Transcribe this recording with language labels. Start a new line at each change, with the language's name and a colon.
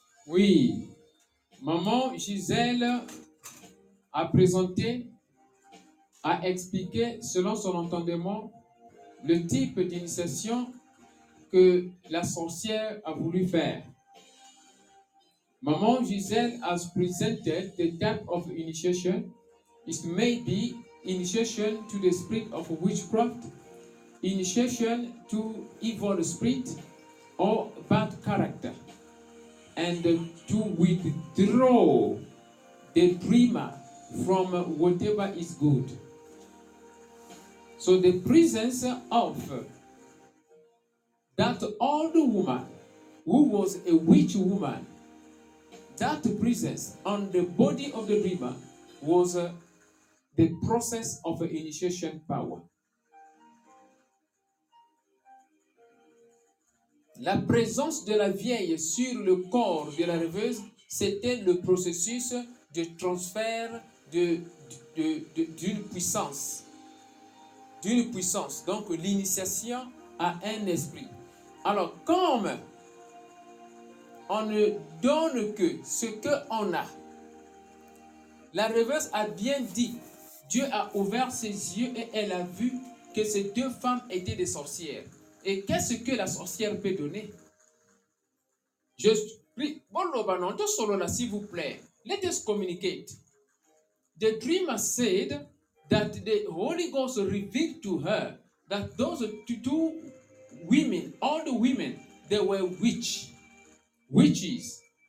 French: Oui, maman Gisèle a présenté, a expliqué selon son entendement le type d'initiation que la sorcière a voulu faire.
English: Maman Gisèle has presented the type of initiation. It may be initiation to the spirit of witchcraft, initiation to evil spirit or bad character, and to withdraw the dreamer from whatever is good. So the presence of that old woman who was a witch woman, that presence on the body of the dreamer was the process of initiation power.
French: La présence de la vieille sur le corps de la rêveuse, c'était le processus de transfert d'une puissance, donc l'initiation à un esprit. Alors, comme on ne donne que ce qu'on a, la rêveuse a bien dit, Dieu a ouvert ses yeux et elle a vu que ces deux femmes étaient des sorcières. Et qu'est-ce que la sorcière peut donner? Je prie, bon, l'obanon, tout solo là, s'il vous plaît.
English: Let us communicate. The dreamer said that the Holy Ghost revealed to her that those two women, all the women, they were witches.